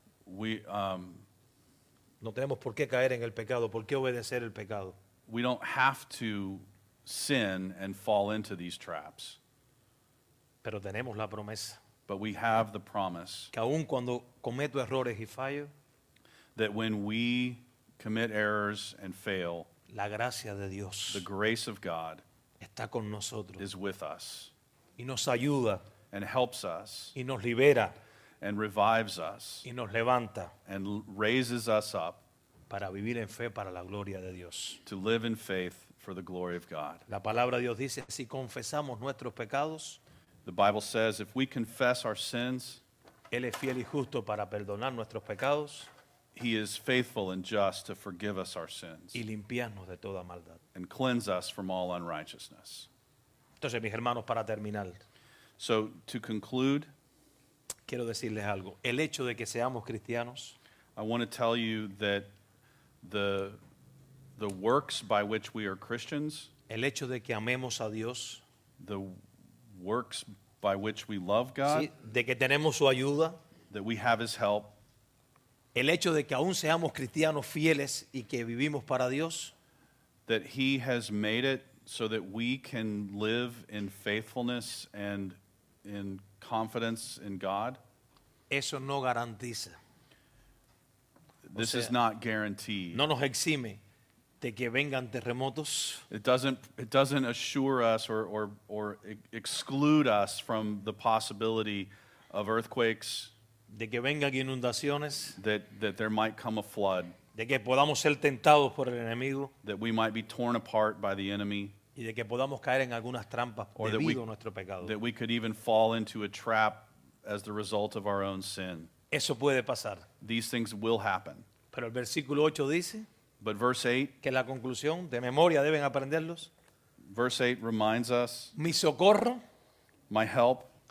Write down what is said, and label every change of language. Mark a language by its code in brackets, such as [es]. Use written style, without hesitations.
[es] No tenemos por qué caer en el pecado, por qué obedecer el pecado. [en] We don't have to sin and fall into these traps. [es] Pero tenemos la promesa. [en] But we have the promise. [es] Que aun cuando cometo errores y fallo, [en] that when we commit errors and fail, [es] la gracia de Dios, [en] the grace of God, [es] está con nosotros, [en] is with us, [es] y nos ayuda, [en] and helps us, [es] y nos libera, [en] and revives us, [es] y nos levanta, [en] and raises us up. [es] Para vivir en fe para la gloria de Dios. [en] To live in faith for the glory of God. [es] La palabra de Dios dice, si confesamos nuestros pecados, [en] the Bible says, if we confess our sins, [es] Él es fiel y justo para perdonar nuestros pecados, [en] He is faithful and just to forgive us our sins, [es] y limpiarnos de toda maldad, [en] and cleanse us from all unrighteousness. [es] Entonces, mis hermanos, para terminar, [en] so to conclude, [es] quiero decirles algo. El hecho de que seamos cristianos, [en] I want to tell you that the works by which we are Christians, [es] el hecho de que amemos a Dios, [en] the works by which we love God, [es] sí, de que tenemos su ayuda, [en] that we have His help, [es] el hecho de que aún seamos cristianos fieles y que vivimos para Dios, [en] that He has made it so that we can live in faithfulness and in confidence in God, [es] eso no garantiza. [en] This is not guaranteed. [es] No nos exime de que vengan terremotos. [en] It doesn't assure us or exclude us from the possibility of earthquakes. [es] De que vengan inundaciones. [en] That there might come a flood. [es] De que podamos ser tentados por el enemigo. [en] That we might be torn apart by the enemy. [es] Y de que podamos caer en algunas trampas debido a nuestro pecado. [en] That we could even fall into a trap as the result of our own sin. [es] Eso puede pasar. [en] These things will happen. [es] Pero el versículo 8 dice, [en] but verse 8, [es] que la conclusión, de memoria deben aprenderlos. [en] Verse 8 reminds us, [es] mi socorro, [en] my help,